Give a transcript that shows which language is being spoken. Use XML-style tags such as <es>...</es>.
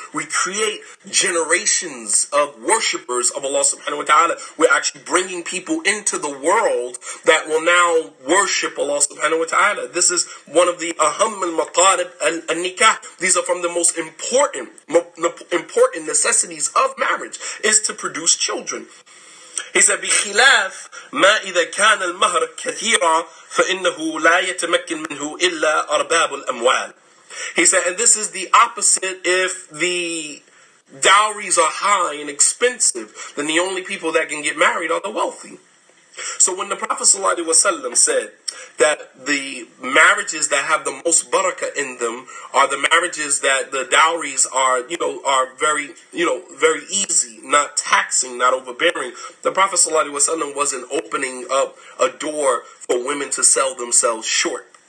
<en>We create generations of worshipers of Allah subhanahu wa ta'ala. We're actually bringing people into the world that will now worship Allah subhanahu wa ta'ala. This is one of the</en> <ar>aham al-maqarib al-nikah.</ar> <en>These are from the most important necessities of marriage, is to produce children. He said,</en> <ar>بخلاف ما إذا كان المهر كثيرا فإنه لا يتمكن منه إلا أرباب الأموال.</ar> <en>He said, and this is the opposite: if the dowries are high and expensive, then the only people that can get married are the wealthy. So when the Prophet sallallahu alaihi wasallam said that the marriages that have the most barakah in them are the marriages that the dowries are, you know, are very, you know, very easy, not taxing, not overbearing, the Prophet sallallahu alaihi wasallam wasn't opening up a door for women to sell themselves short.</en>